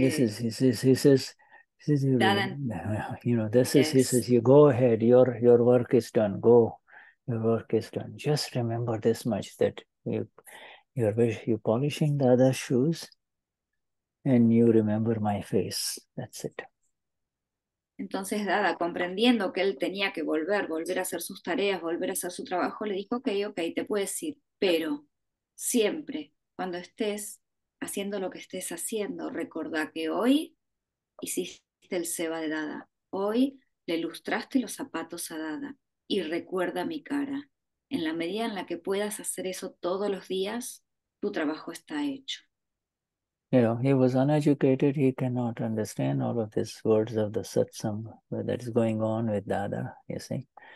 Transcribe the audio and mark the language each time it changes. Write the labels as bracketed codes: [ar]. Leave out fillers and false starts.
[en] this is, he says, you know, this yes. is, he says, you go ahead, your work is done, go, your work is done. Just remember this much, that you're polishing the other shoes and you remember my face. That's it. [es] Entonces Dada, comprendiendo que él tenía que volver, volver a hacer sus tareas, volver a hacer su trabajo, le dijo, ok, te puedes ir, pero siempre, cuando estés haciendo lo que estés haciendo, recordá que hoy hiciste el seba de Dada, hoy le lustraste los zapatos a Dada, y recuerda mi cara. En la medida en la que puedas hacer eso todos los días, tu trabajo está hecho. [en] You know, he was uneducated, he cannot understand all of these words of the satsang that is going on with Dada, you see.